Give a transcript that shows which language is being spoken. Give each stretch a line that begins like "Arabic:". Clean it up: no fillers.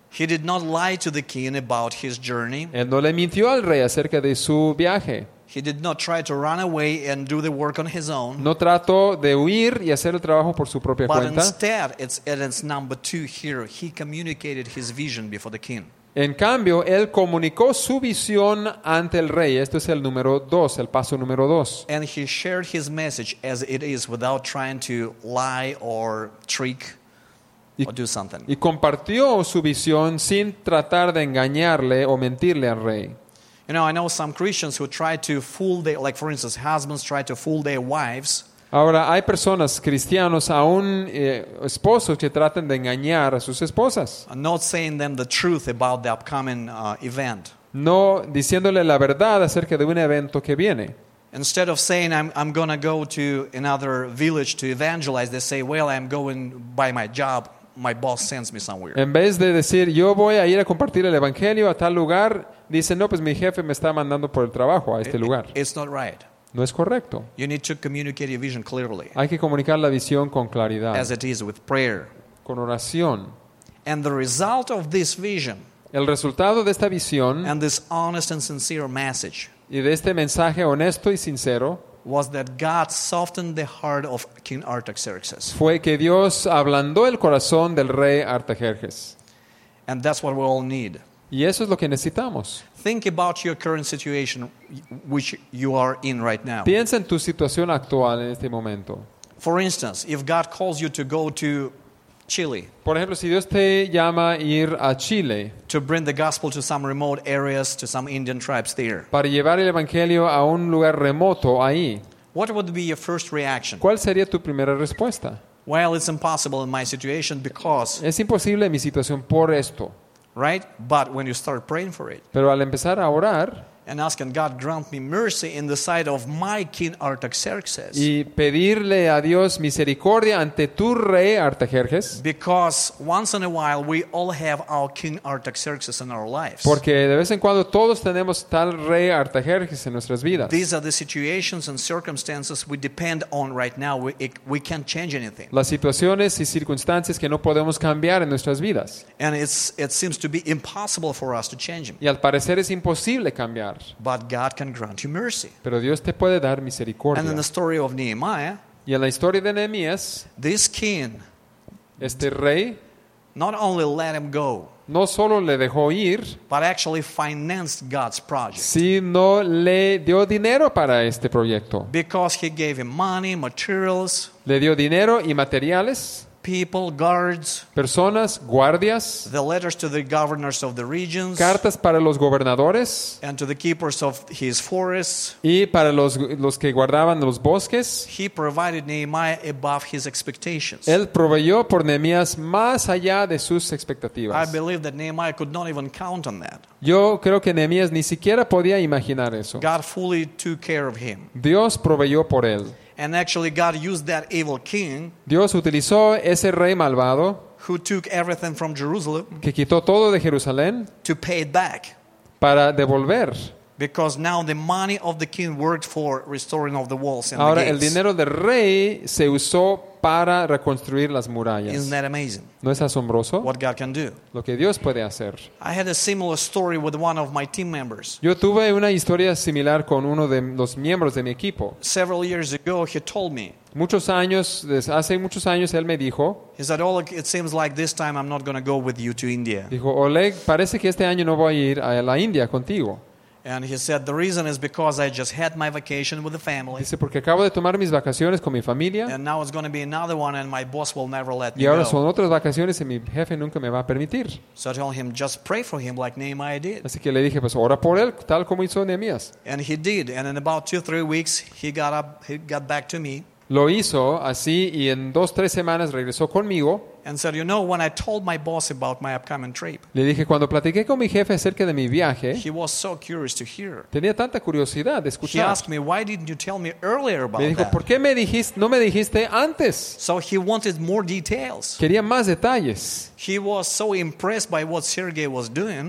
English: He did not lie to the king about his journey.
Spanish: Él no le mintió al rey acerca de su viaje.
English: He did not try to run away and do the work on his own.
Spanish: No trató de huir y hacer el trabajo por su propia cuenta.
English: But instead, it's number two here. He communicated his vision before the king.
Spanish: En cambio, él comunicó su visión ante el rey. Esto es el número dos, el paso número dos.
English: And he shared his message as it is, without trying to lie or trick or do something.
Spanish: Y compartió su visión sin tratar de engañarle o mentirle al rey.
English: You know, I know some Christians who try to fool their, like for instance, husbands try to fool their wives.
Spanish: Ahora hay personas cristianos, aún esposos, que tratan de engañar a sus esposas.
English: Not saying them the truth about the upcoming event.
Spanish: No diciéndole la verdad acerca de un evento que viene.
English: Instead of saying I'm going to go to another village to evangelize, they say, well, I'm going by my job. My boss sends me somewhere.
Spanish: En vez de decir yo voy a ir a compartir el evangelio a tal lugar, dice no, pues mi jefe me está mandando por el trabajo a este lugar.
English: It's not right.
Spanish: No es correcto.
English: You need to communicate your vision clearly.
Spanish: Hay que comunicar la visión con claridad.
English: As it is with prayer.
Spanish: Con oración.
English: And the result of this vision.
Spanish: El resultado de esta visión.
English: And this honest and sincere message.
Spanish: Y de este mensaje honesto y sincero.
English: Was that God softened the heart of King Artaxerxes?
Spanish: Fue que Dios ablandó el corazón del rey Artajerjes.
English: And that's what we all need.
Spanish: Y eso es lo que necesitamos.
English: Think about your current situation, which you are in right now.
Spanish: Piensa en tu situación actual en este momento.
English: For instance, if God calls you to go to Chile.
Spanish: Por ejemplo, si Dios te llama a ir a Chile.
English: To bring the gospel to some remote areas, to some Indian tribes there.
Spanish: Para llevar el evangelio a un lugar remoto ahí.
English: What would be your first reaction?
Spanish: ¿Cuál sería tu primera respuesta?
English: Well, it's impossible in my situation because.
Spanish: Es imposible en mi situación por esto.
English: Right? But when you start praying for it.
Spanish: Pero al empezar a orar.
English: And asking God grant me mercy in the sight of my King Artaxerxes.
Spanish: Y pedirle a Dios misericordia ante tu rey Artajerjes.
English: Because once in a while we all have our King Artaxerxes in our lives.
Spanish: Porque de vez en cuando todos tenemos tal rey Artajerjes en nuestras vidas.
English: These are the situations and circumstances we depend on right now. We can't change anything.
Spanish: Las situaciones y circunstancias que no podemos cambiar en nuestras vidas.
English: And it seems to be impossible for us to change them.
Spanish: Y al parecer es imposible cambiar.
English: But God can grant you mercy.
Spanish: Pero Dios te puede dar misericordia.
English: And in the story of Nehemiah,
Spanish: y en la historia de Nehemías,
English: this king,
Spanish: este rey,
English: not only let him go,
Spanish: no solo le dejó ir,
English: but actually financed God's project.
Spanish: Sino le dio dinero para este proyecto.
English: Because he gave him money, materials,
Spanish: le dio dinero y materiales.
English: People, guards,
Spanish: personas, guardias,
English: the letters to the governors of the regions,
Spanish: cartas para los gobernadores,
English: and to the keepers of his forests,
Spanish: y para los que guardaban los bosques.
English: He provided Nehemiah above his expectations.
Spanish: Él proveyó por Nehemías más allá de sus expectativas.
English: I believe that Nehemiah could not even count on that.
Spanish: Yo creo que Nehemías ni siquiera podía imaginar eso.
English: God fully took care of him.
Spanish: Dios proveyó por él.
English: And actually God used that evil king,
Spanish: Dios utilizó ese rey malvado,
English: who took everything from Jerusalem,
Spanish: que quitó todo de Jerusalén,
English: to pay it back,
Spanish: para devolver.
English: Because now the money of the king worked for restoring of the walls and
Spanish: ahora,
English: the gates.
Spanish: El dinero del rey se usó para reconstruir las murallas.
English: Isn't that amazing?
Spanish: ¿No es asombroso?
English: What God can do.
Spanish: Lo que Dios puede hacer.
English: I had a similar story with one of my team members.
Spanish: Yo tuve una historia similar con uno de los miembros de mi equipo.
English: Several years ago, he told me.
Spanish: Muchos años, hace muchos años, él me dijo.
English: He said, "Oleg, it seems like this time I'm not going to go with you to India."
Spanish: Dijo, Oleg, parece que este año no voy a ir a la India contigo.
English: And he said, "The reason is because I just had my vacation with the family."
Spanish: Dice, porque acabo de tomar mis vacaciones con mi familia.
English: And now it's going to be another one, and my boss will never let me go.
Spanish: Y ahora son otras vacaciones, y mi jefe nunca me va a permitir.
English: So I told him, "Just pray for him, like Nehemiah did."
Spanish: Así que le dije, pues ora por él, tal como hizo Nehemías.
English: And he did, and in about 2-3 weeks, he got back to me.
Spanish: Lo hizo así, y en 2-3 semanas regresó conmigo.
English: And said, "You know, when I told my boss about my upcoming trip."
Spanish: Le dije, cuando platiqué con mi jefe acerca de mi viaje.
English: He was so curious to hear.
Spanish: Tenía tanta curiosidad de escuchar.
English: He asked me, "Why didn't you tell me earlier about that?"
Spanish: Me dijo,
English: that?
Spanish: "¿Por qué no me dijiste antes?"
English: So he wanted more details.
Spanish: Quería más detalles.
English: He was so impressed by what Sergey was doing.